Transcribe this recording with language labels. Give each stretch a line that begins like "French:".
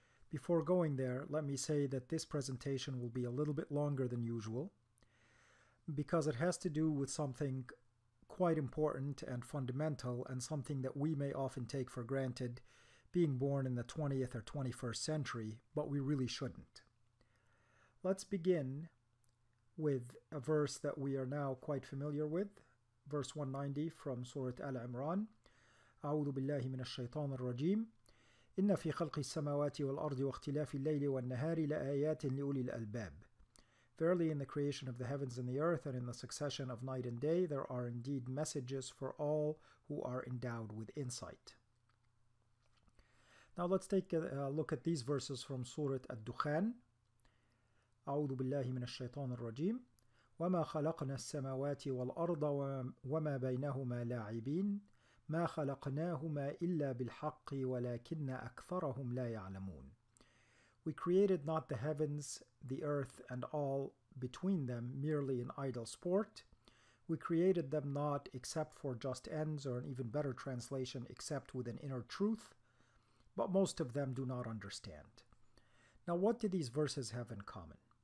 English: Before going there, let me say that this presentation will be a little bit longer than usual because it has to do with something quite important and fundamental, and something that we may often take for granted being born in the 20th or 21st century, but we really shouldn't. Let's begin with a verse that we are now quite familiar with, verse 190 from Surah Al-Imran.
Arabic: أعوذ بالله من الشيطان الرجيم إن في خلق السماوات والأرض واختلاف الليل والنهار لآيات لأولي الألباب.
English: Verily, in the creation of the heavens and the earth, and in the succession of night and day, there are indeed messages for all who are endowed with insight. Now let's take a look at these verses from Surah Ad-Dukhan.
Arabic: أعوذ بالله من الشيطان الرجيم وما خلقنا السماوات والأرض وما بينهما لاعبين ما خلقناهما إلا بالحق ولكن أكثرهم لا يعلمون.
English: We created not the heavens, the earth, and all between them merely in idle sport. We created them not except for just ends, or an even better translation, except with an inner truth. But most of them do not understand. Now, what do these verses have in common?